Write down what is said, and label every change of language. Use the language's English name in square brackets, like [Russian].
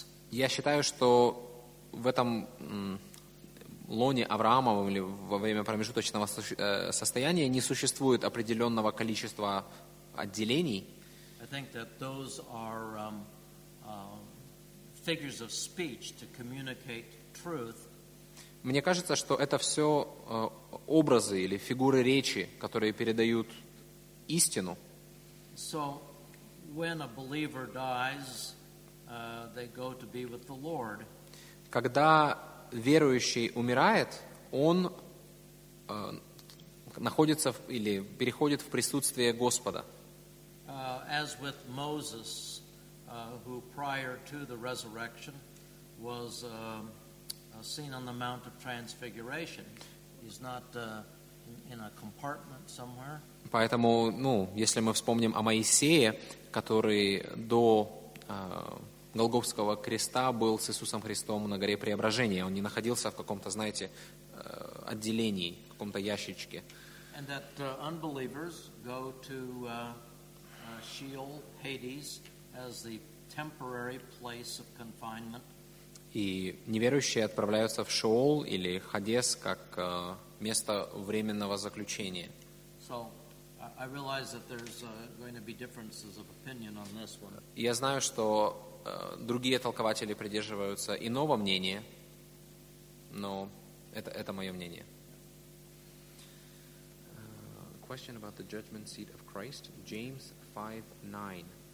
[Russian] Я считаю, что в этом лоне Авраамова или во время промежуточного состояния не существует определенного количества отделений. [English] I think that those are figures of speech to communicate truth. [Russian] Мне кажется, что это все образы или фигуры речи, которые передают истину. [English] So when a believer dies, they go to be with the Lord. [Russian] Когда верующий умирает, он находится или переходит в присутствие Господа. [English] As with Moses, who prior to the resurrection was seen on the Mount of Transfiguration, he's not in a compartment somewhere. [Russian] Поэтому, ну, если мы вспомним о Моисее, который до Голгофского креста был с Иисусом Христом на горе Преображения, он не находился в каком-то, знаете, отделении, в каком-то ящичке. [English] And that unbelievers go to Sheol, Hades, as the temporary place of confinement. [Russian] И неверующие отправляются в Шеол или Хадес как место временного заключения. [English] So, I realize that there's going to be differences of opinion on this one. [Russian] Я знаю, что другие толкователи придерживаются иного мнения, но это мое мнение. [English] Question about the judgment seat of Christ, James 5:9.